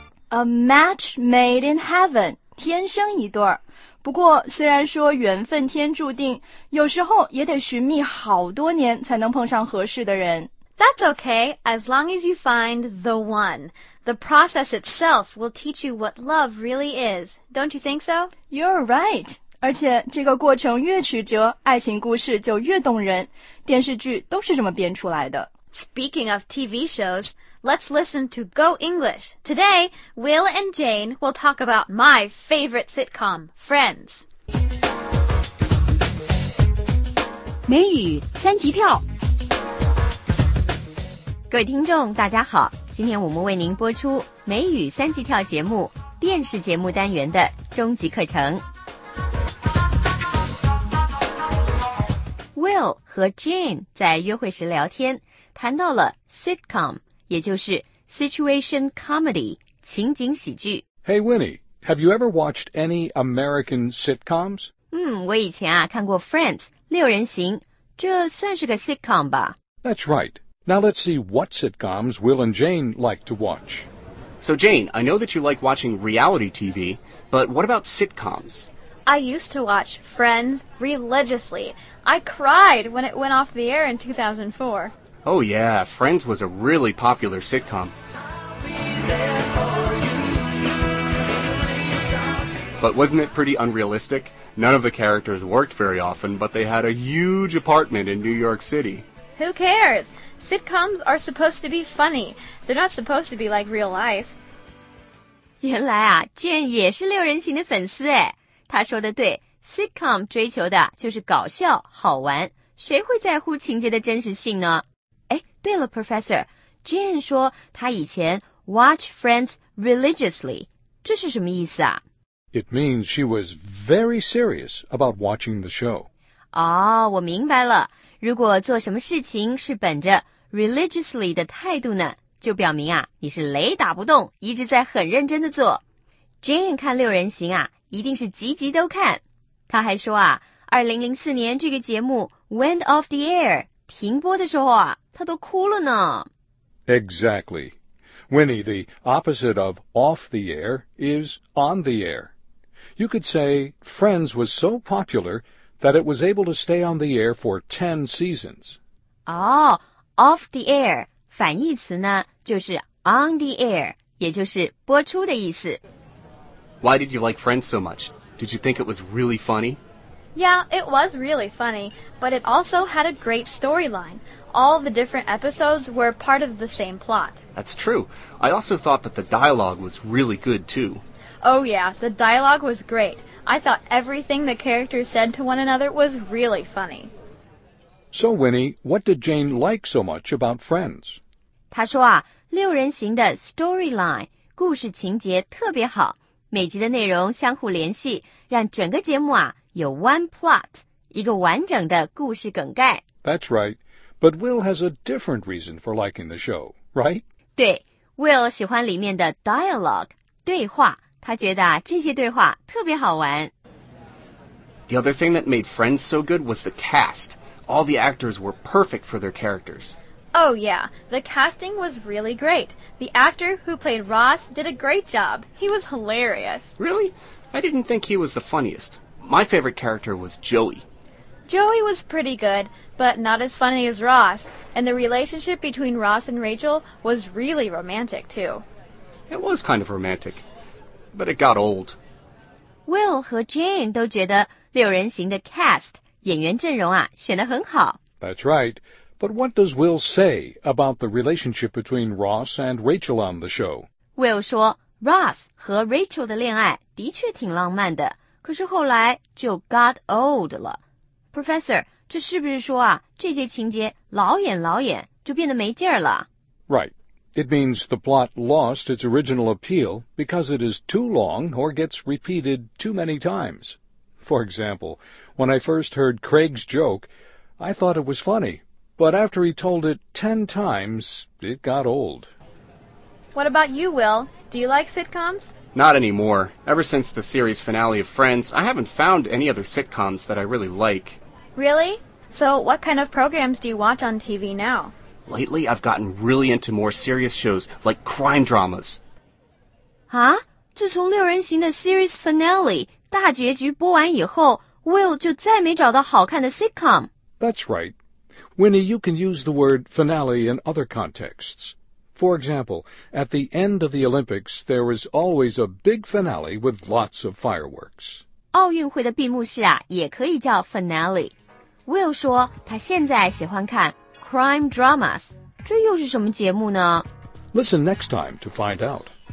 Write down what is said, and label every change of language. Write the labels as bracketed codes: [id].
[en] A match made in heaven， [zh] 天生一对。不过虽然说缘分天注定，有时候也得寻觅好多年才能碰上合适的人。 [en] That's okay, as long as you find the one. The process itself will teach you what love really is. Don't you think so? You're right. [zh] 而且这个过程越曲折，爱情故事就越动人。电视剧都是这么编出来的。 [en] Speaking of TV shows, let's listen to Go English. Today, Will and Jane will talk about my favorite sitcom, Friends. [zh] 美语三级跳。各位听众大家好，今天我们为您播出美语三级跳节目电视节目单元的终极课程。 Will 和 Jane 在约会时聊天，谈到了 sitcom， 也就是 situation comedy， 情景喜剧。 [en] Hey Winnie, have you ever watched any American sitcoms? [zh] 我以前啊看过 Friends， 六人行，这算是个 sitcom 吧。 [en] That's right. Now let's see what sitcoms Will and Jane like to watch. So Jane, I know that you like watching reality TV, but what about sitcoms? I used to watch Friends religiously. I cried when it went off the air in 2004. Oh yeah, Friends was a really popular sitcom. But wasn't it pretty unrealistic? None of the characters worked very often, but they had a huge apartment in New York City. Who cares? Sitcoms are supposed to be funny. They're not supposed to be like real life. [zh] 原来啊 ,Jane 也是六人行的粉丝诶。她说的对， sitcom 追求的就是搞笑好玩。谁会在乎情节的真实性呢？诶，对了 ,Professor,Jane 说她以前 [en] watch Friends religiously. [zh] 这是什么意思啊？ [en] It means she was very serious about watching the show. [zh] 哦，我明白了。如果做什么事情是本着 religiously 的态度呢，就表明啊你是雷打不动，一直在很认真的做。 Jane 看六人行啊一定是集集都看。他还说啊 ,2004 年这个节目 [en] went off the air, [zh] 停播的时候啊他都哭了呢。 [en] Exactly. Winnie, the opposite of off the air is on the air. You could say Friends was so popular,that it was able to stay on the air for 10 seasons. Oh, off the air, [zh] 反义词呢就是 [en] on the air, [zh] 也就是播出的意思。 [en] Why did you like Friends so much? Did you think it was really funny? Yeah, it was really funny, but it also had a great storyline. All the different episodes were part of the same plot. That's true. I also thought that the dialogue was really good too. Oh yeah, the dialogue was great. I thought everything the characters said to one another was really funny. So Winnie, what did Jane like so much about Friends? 她说啊，六人行的 storyline, 故事情节特别好，每集的内容相互联系，让整个节目啊有 one plot, 一个完整的故事梗概。 That's right, but Will has a different reason for liking the show, right? 对， Will 喜欢里面的 dialogue, 对话。他觉得啊，这些对话特别好玩。 The other thing that made Friends so good was the cast. All the actors were perfect for their characters. Oh yeah, the casting was really great. The actor who played Ross did a great job. He was hilarious. Really? I didn't think he was the funniest. My favorite character was Joey. Joey was pretty good, but not as funny as Ross. And the relationship between Ross and Rachel was really romantic, too. It was kind of romantic. But it got old. [zh] Will 和 Jane 都觉得六人行的 cast, 演员阵容啊选得很好。 [en] That's right. But what does Will say about the relationship between Ross and Rachel on the show? [zh] Will 说 Ross 和 Rachel 的恋爱的确挺浪漫的，可是后来就 [en] got old [zh] 了。Professor, 这是不是说啊，这些情节老演老演就变得没劲儿了 [en] ？Right. It means the plot lost its original appeal because it is too long or gets repeated too many times. For example, when I first heard Craig's joke, I thought it was funny. But after he told it 10 times, it got old. What about you, Will? Do you like sitcoms? Not anymore. Ever since the series finale of Friends, I haven't found any other sitcoms that I really like. Really? So what kind of programs do you watch on TV now? Lately, I've gotten really into more serious shows, like crime dramas. Huh? [zh] 自从六人行的 [en] series finale, [zh] 大结局播完以后 ,Will 就再没找到好看的 sitcom. [en] That's right. Winnie, you can use the word finale in other contexts. For example, at the end of the Olympics, there is always a big finale with lots of fireworks. [zh] 奥运会的闭幕式啊也可以叫 finale. Will 说他现在喜欢看 crime dramas. 这又是什么节目呢 [en] ?Listen next time to find out.